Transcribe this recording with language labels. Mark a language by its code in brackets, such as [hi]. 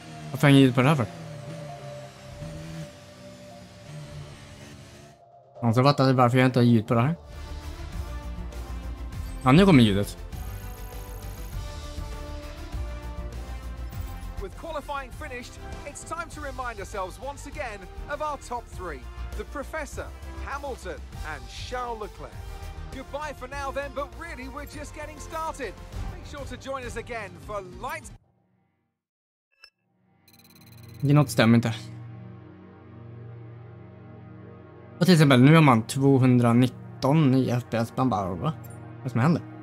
[sv] Varför har jag inget ljud på det här för? Någon som fattar varför jag inte har ljud på det här? Ja, nu kommer ljudet. [en] finished, it's time to remind ourselves once again of our top three: the Professor, Hamilton, and Charles Leclerc. Goodbye for now then, but really we're just getting started. Make sure to join us again for light. [sv] Det är något stämmer inte. Och till exempel, nu har man 219 i FPS bland bara, va? Vad som händer?